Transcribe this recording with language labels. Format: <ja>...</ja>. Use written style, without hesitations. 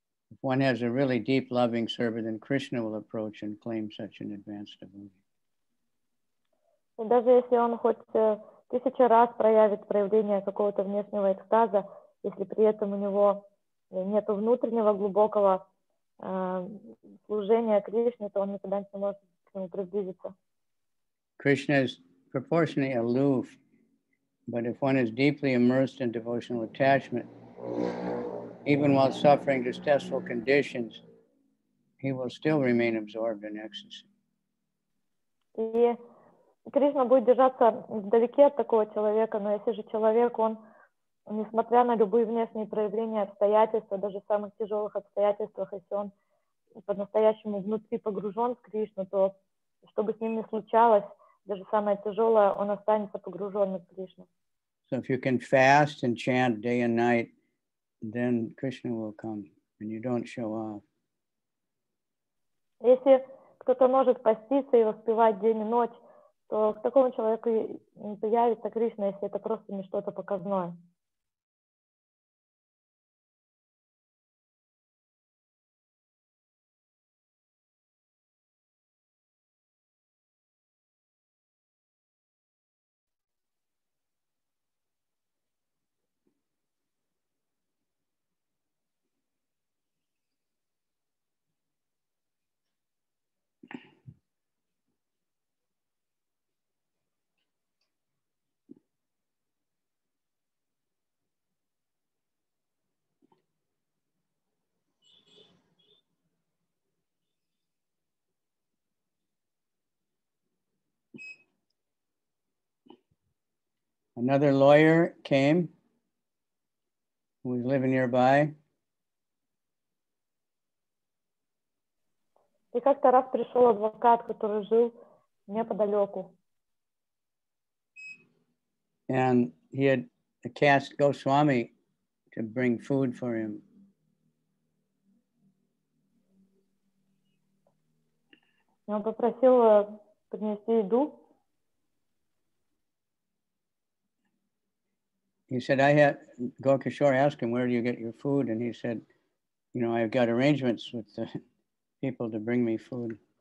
<en>If one has a really deep loving servant, then Krishna will approach and claim such an advanced devotee.</en> <ru>Даже если он хоть тысячу раз проявит проявление какого-то внешнего экстаза, если при этом у него нет внутреннего глубокого служение Кришне, то он никогда не сможет к нему приблизиться.</ru> <en>Krishna is proportionally aloof, but if one is deeply immersed in devotional attachment, even while suffering distressful conditions, he will still remain absorbed in ecstasy.</en> <ru>И Кришна будет держаться вдалеке от такого человека, но если же человек, он несмотря на любые внешние проявления обстоятельств, даже в самых тяжелых обстоятельствах, если он по-настоящему внутри погружен в Кришну, то что бы с ним ни случалось, даже самое тяжелое, он останется погруженным в Кришну.</ru> <en>So if you can fast and chant day and night, then Krishna will come, and you don't show off.</en> <ru>Если кто-то может поститься и воспевать день и ночь, то к такому человеку не появится Кришна, если это просто не что-то показное.</ru> <en>Another lawyer came, who was living nearby.</en> <ru>И как-то раз пришел адвокат, который жил неподалеку.</ru> <en>And he had asked Goswami to bring food for him.</en> <ru>И он попросил принести еду.</ru> <en>He said, I had Gaurakishore ask him, where do you get your food? And he said, you know, I've got arrangements with the people to bring me food.</en>